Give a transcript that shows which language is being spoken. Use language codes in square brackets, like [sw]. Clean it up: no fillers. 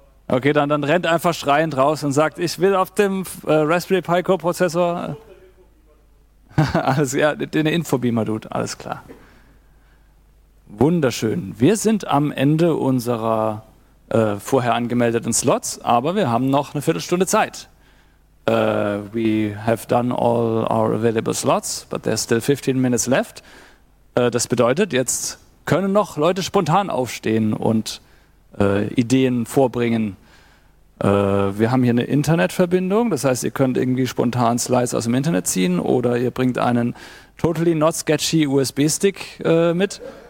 [de] Okay, dann rennt einfach schreiend raus und sagt, ich will auf dem Raspberry Pi Co-Prozessor. Alles klar, ja, den Infobeamer, Dude, alles klar. Wunderschön. Wir sind am Ende unserer vorher angemeldeten Slots, aber wir haben noch eine Viertelstunde Zeit. [en] We have done all our available slots, but there's still 15 minutes left. [de] Das bedeutet, jetzt können noch Leute spontan aufstehen und Ideen vorbringen. Wir haben hier eine Internetverbindung, das heißt, ihr könnt irgendwie spontan Slides aus dem Internet ziehen oder ihr bringt einen [en] totally not sketchy [de] USB-Stick mit.